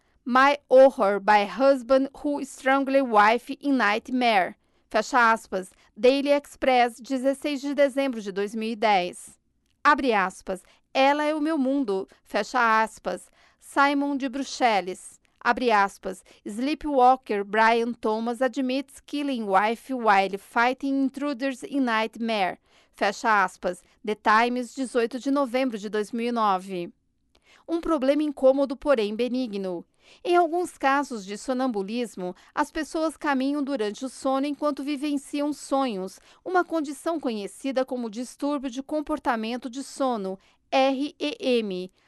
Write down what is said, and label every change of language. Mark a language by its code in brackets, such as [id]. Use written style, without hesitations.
[en] My horror by husband who strangled wife in nightmare. [pt] Fecha aspas. Daily Express, 16 de dezembro de 2010. Abre aspas. Ela é o meu mundo. Fecha aspas. Simon de Bruxelles. Abre aspas. [en] Sleepwalker Brian Thomas admits killing wife while fighting intruders in nightmare. [pt] Fecha aspas. The Times, 18 de novembro de 2009. Um problema incômodo, porém benigno. Em alguns casos de sonambulismo, as pessoas caminham durante o sono enquanto vivenciam sonhos, uma condição conhecida como distúrbio de comportamento de sono, REM.